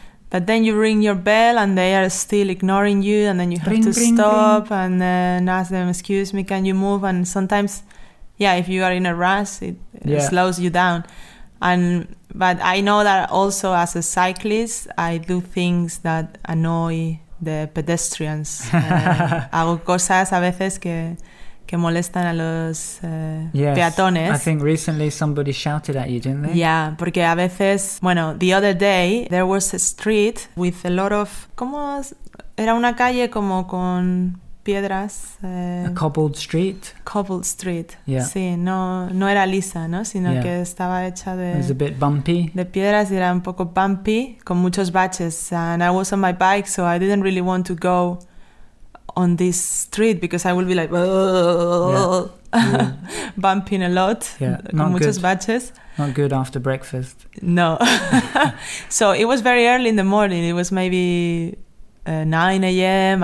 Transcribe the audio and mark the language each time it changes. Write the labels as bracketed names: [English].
[English] But then you ring your bell and they are still ignoring you and then you have to stop and then ask them, excuse me, can you move? And sometimes, if you are in a rush, it slows you down. But I know that also as a cyclist, I do things that annoy the pedestrians. [Spanish] hago cosas a veces que molestan a los peatones. [English] I think recently somebody shouted at you, didn't they? Yeah, [Spanish] porque a veces, [English] the other day there was a street with a lot of, [Spanish] ¿cómo? Era una calle como con piedras. [English] A cobbled street. Cobbled street. Yeah. [Spanish] Sí, no era lisa, ¿no? Sino que estaba hecha de... [English] It was a bit bumpy. [Spanish] De piedras, era un poco bumpy, con muchos baches. [English] And I was on my bike, so I didn't really want to go on this street because I would be like... bumping a lot. Yeah. [Spanish] Con [English] not [Spanish] muchos [English] good. [Spanish] Baches. [English] Not good after breakfast. No. So it was very early in the morning. It was maybe... 9 a.m.